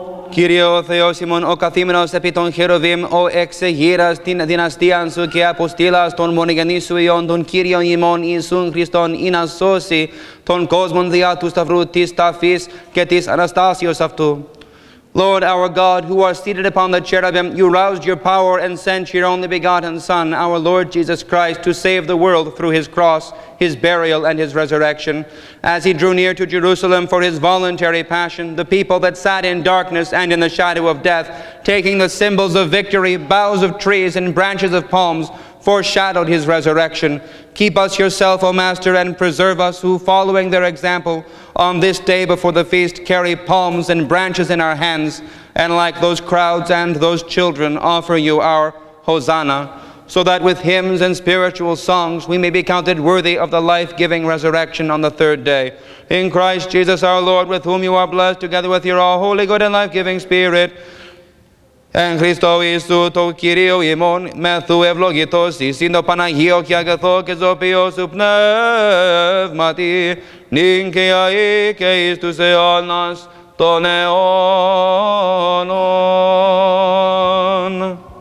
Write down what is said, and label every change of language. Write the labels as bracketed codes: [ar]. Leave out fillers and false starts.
[el] Κύριε ο Θεός ημών, ο καθήμενος επί των χεροβήμ, ο εξεγείρας την δυναστίαν σου και αποστήλας τον μονογενή σου Υιόν, τον Κύριον ημών Ιησούν Χριστόν, ή να σώσει τον κόσμον διά του σταυρού της ταφής και της Αναστάσεως αυτού. [en] Lord, our God, who are seated upon the cherubim, you roused your power and sent your only begotten Son, our Lord Jesus Christ, to save the world through his cross, his burial, and his resurrection. As he drew near to Jerusalem for his voluntary passion, the people that sat in darkness and in the shadow of death, taking the symbols of victory, boughs of trees and branches of palms, foreshadowed his resurrection. Keep us yourself, O Master, and preserve us who, following their example, on this day before the feast, carry palms and branches in our hands, and like those crowds and those children, offer you our Hosanna, so that with hymns and spiritual songs we may be counted worthy of the life-giving resurrection on the third day. In Christ Jesus our Lord, with whom you are blessed, together with your all holy, good, and life-giving Spirit, [el] Εν Χριστώ Ιησού το Κύριο ημών, μεθού ευλογητός εις το Παναγίο και αγαθό και ζωπιό σου πνεύματι, νυν και αεί και εις τους αιώνας των αιώνων.